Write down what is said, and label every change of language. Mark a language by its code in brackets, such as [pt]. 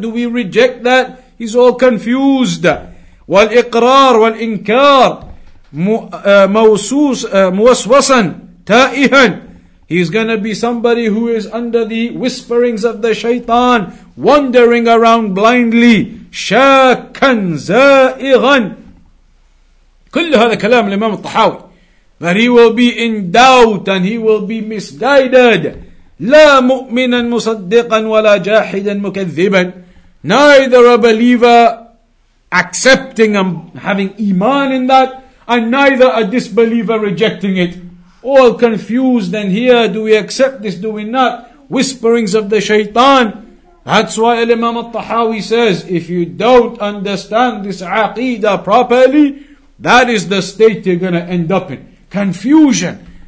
[en] Do we reject that? He's all confused. [ar] والإقرار والإنكار. موسوسا تائها. [en] He's going to be somebody who is under the whisperings of the shaitan, wandering around blindly. [ar] شاكاً زائغاً. كل هذا كلام الإمام الطحاوي. [en] But he will be in doubt and he will be misguided. [ar] لا مؤمناً مصدقاً ولا جاحداً مكذباً. [en] Neither a believer accepting and having iman in that, and neither a disbeliever rejecting it. All confused and here, do we accept this, do we not? Whisperings of the shaitan. That's why Imam al-Tahawi says, if you don't understand this aqeedah properly, that is the state you're going to end up in. Confusion.